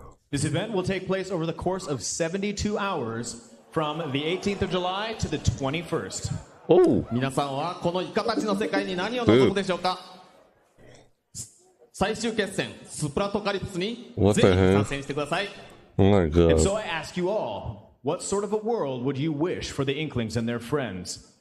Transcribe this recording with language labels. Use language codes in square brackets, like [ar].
[en] This event will take place over the course of 72 hours from the 18th of July to the 21st. Oh! [ja] 皆さんはこのイカたちの世界に何を望むでしょうか? 最終決戦スプラトカリプスにぜひ参戦してください。 [en] Oh my god. And so I ask you all, what sort of a world would you wish for the Inklings and their friends?